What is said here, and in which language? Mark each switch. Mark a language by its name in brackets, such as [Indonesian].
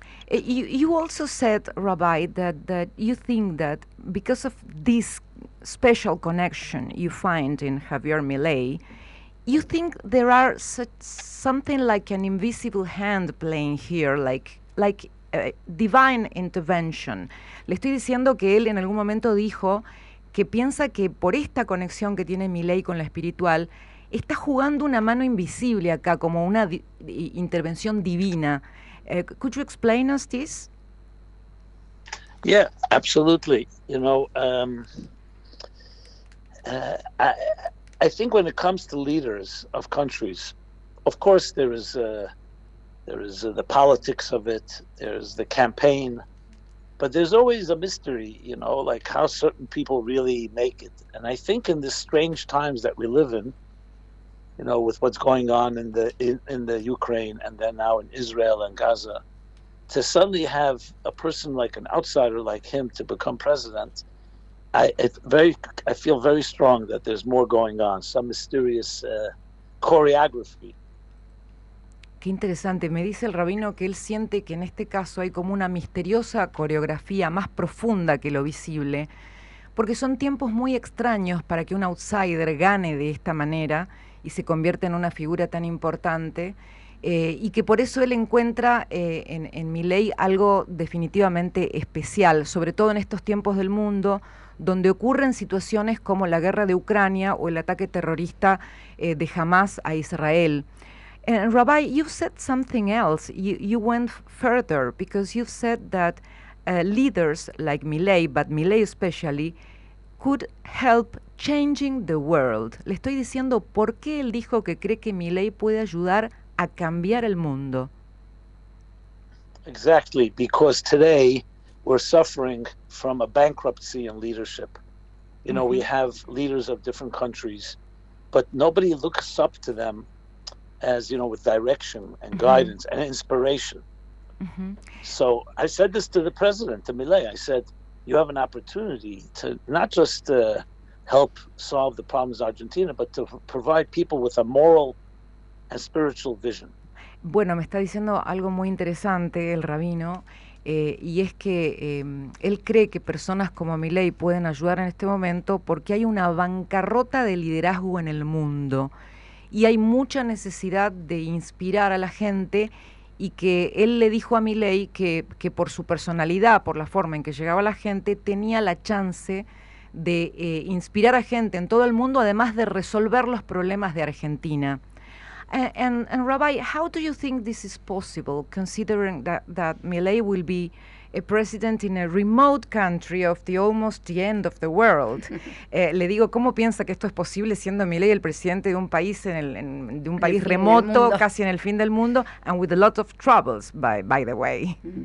[English] You also said, Rabbi, that you think that because of this special connection you find in Javier Milei, You think there are such something like an invisible hand playing here, like divine intervention. [Spanish] Le estoy diciendo que él en algún momento dijo que piensa que por esta conexión que tiene Milei con lo espiritual, está jugando una mano invisible acá, como una intervención divina. [English] Could you explain us this? Yeah, absolutely. You know, I think when it comes to leaders of countries, of course there is the politics of it, there's the campaign, but there's always a mystery, you know, like how certain people really make it. And I think in the strange times that we live in, you know, with what's going on in the Ukraine and then now in Israel and Gaza, to suddenly have a person like an outsider like him to become president, I feel very strong that there's more going on, some mysterious choreography. [Spanish] Qué interesante, me dice el rabino que él siente que en este caso hay como una misteriosa coreografía más profunda que lo visible, porque son tiempos muy extraños para que un outsider gane de esta manera y se convierta en una figura tan importante, y que por eso él encuentra en Milei algo definitivamente especial, sobre todo en estos tiempos del mundo donde ocurren situaciones como la guerra de Ucrania o el ataque terrorista de Hamas a Israel. [English] And Rabbi, you said something else. You went further because you said that leaders like Milei, but Milei especially, could help changing the world. [Spanish] Le estoy diciendo por qué él dijo que cree que Milei puede ayudar a cambiar el mundo. [English] Exactly, because today we're suffering from a bankruptcy in leadership. You know, mm-hmm. We have leaders of different countries, but nobody looks up to them as, you know, with direction and mm-hmm. guidance and inspiration. Mm-hmm. So I said this to the president, to Milei. I said, you have an opportunity to not just help solve the problems in Argentina, but to provide people with a moral and spiritual vision. [Spanish] Bueno, me está diciendo algo muy interesante el rabino, y es que él cree que personas como Milei pueden ayudar en este momento porque hay una bancarrota de liderazgo en el mundo. Y hay mucha necesidad de inspirar a la gente y que él le dijo a Milei que por su personalidad, por la forma en que llegaba a la gente, tenía la chance de inspirar a gente en todo el mundo, además de resolver los problemas de Argentina. [English] And Rabbi, how do you think this is possible, considering that Milei will be a president in a remote country of the almost the end of the world? [Spanish] Le digo, ¿cómo piensa que esto es posible siendo Milei el presidente de un país en un país remoto, casi en el fin del mundo, [English] and with a lot of troubles, by the way?